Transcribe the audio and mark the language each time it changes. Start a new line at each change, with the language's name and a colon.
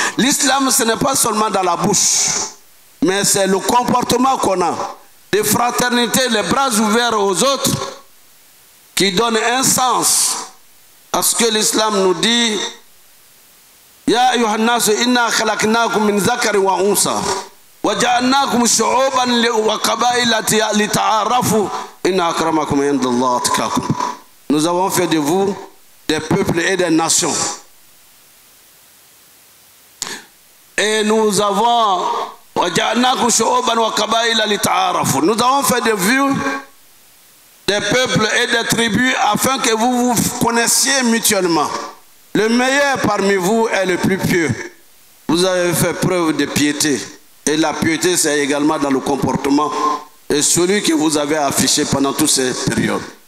French: L'islam, ce n'est pas seulement dans la bouche, mais c'est le comportement qu'on a. Des fraternités, les bras ouverts aux autres, qui donnent un sens à ce que l'islam nous dit.
Arabic: Ya ayyuhannasu inna khalaqnakum min zakarin wa unsa. وجعلناكم شعوبا وقبائل لتعارفوا ان اكرمكم عند الله اتقاكم.
French: Nous avons fait de vous des peuples et des nations. Et nous avons وجعلناكم شعوبا وقبائل لتعارفوا. Nous avons fait de vous des peuples et des tribus afin que vous vous connaissiez mutuellement. Le meilleur parmi vous est le plus pieux. Vous avez fait preuve de piété. Et la piété, c'est également dans le comportement et celui que vous avez affiché pendant toutes ces périodes.